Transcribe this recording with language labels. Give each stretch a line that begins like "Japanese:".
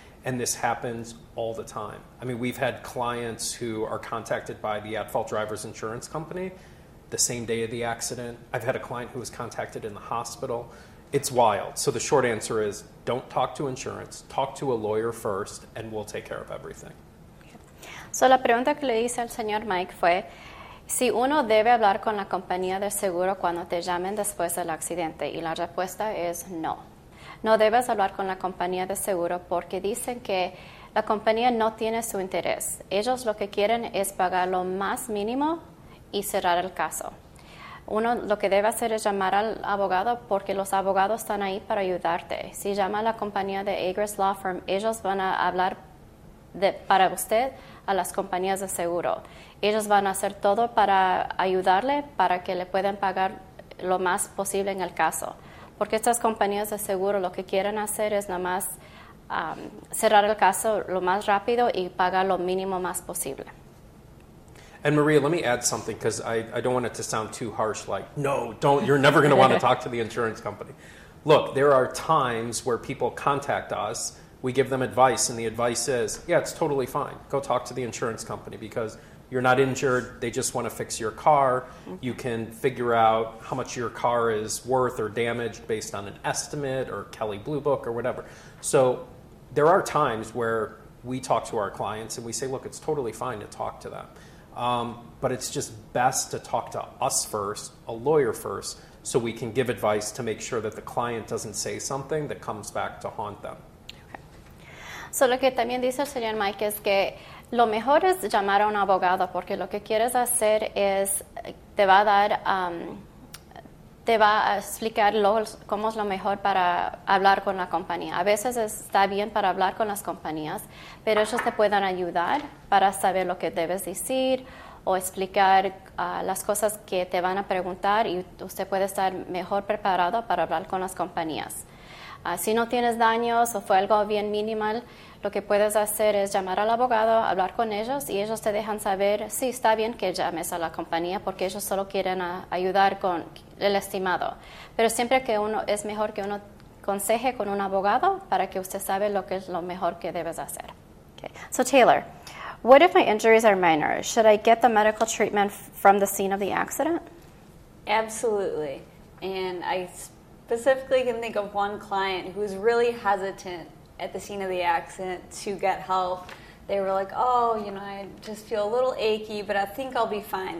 English: And this happens all the time. I mean, we've had clients who are contacted by the at-fault driver's insurance company the same day of the accident. I've had a client who was contacted in the hospital. It's wild. So the short answer is, don't talk to insurance. Talk to a lawyer first, and we'll take care of everything.
Spanish: So la pregunta que le hice al señor Mike fue, si uno debe hablar con la compañía de seguro cuando te llamen después del accidente, y la respuesta es no. No debes hablar con la compañía de seguro porque dicen que la compañía no tiene su interés. Ellos lo que quieren es pagar lo más mínimo y cerrar el caso. Uno lo que debe hacer es llamar al abogado porque los abogados están ahí para ayudarte. Si llama a la compañía de Agruss Law Firm, ellos van a hablar para usted a las compañías de seguro. Ellos van a hacer todo para ayudarle para que le puedan pagar lo más posible en el caso. Porque estas compañías de seguro lo que quieren hacer es nada más cerrar el caso lo más rápido y pagar lo mínimo más posible.
English: And Maria, let me add something, because I don't want it to sound too harsh, like, no, don't, you're never going to want to talk to the insurance company. Look, there are times where people contact us, we give them advice, and the advice is, yeah, it's totally fine. Go talk to the insurance company, because you're not injured, they just want to fix your car. You can figure out how much your car is worth or damaged based on an estimate or Kelley Blue Book or whatever. So there are times where we talk to our clients and we say, look, it's totally fine to talk to them. But it's just best to talk to us first, a lawyer first, so we can give advice to make sure that the client doesn't say something that comes back to haunt them.
Spanish: Okay. So lo que también dice el señor Mike es que lo mejor es llamar a un abogado, porque lo que quieres hacer es, te va a explicar cómo es lo mejor para hablar con la compañía. A veces está bien para hablar con las compañías, pero ellos te pueden ayudar para saber lo que debes decir o explicar las cosas que te van a preguntar, y usted puede estar mejor preparado para hablar con las compañías. Si no tienes daños o fue algo bien minimal, lo que puedes hacer es llamar al abogado, hablar con ellos, y ellos te dejan saber si está bien que llames a la compañía, porque ellos solo quieren ayudar con el estimado. Pero siempre que uno, es mejor que uno conseje con un abogado para que usted sabe lo que es lo mejor que debes hacer.
English: Okay. So Taylor, what if my injuries are minor? Should I get the medical treatment from the scene of the accident? Absolutely. And I specifically can think of one client who's really hesitant at the scene of the accident to get help. They were like, oh, you know, I just feel a little achy, but I think I'll be fine.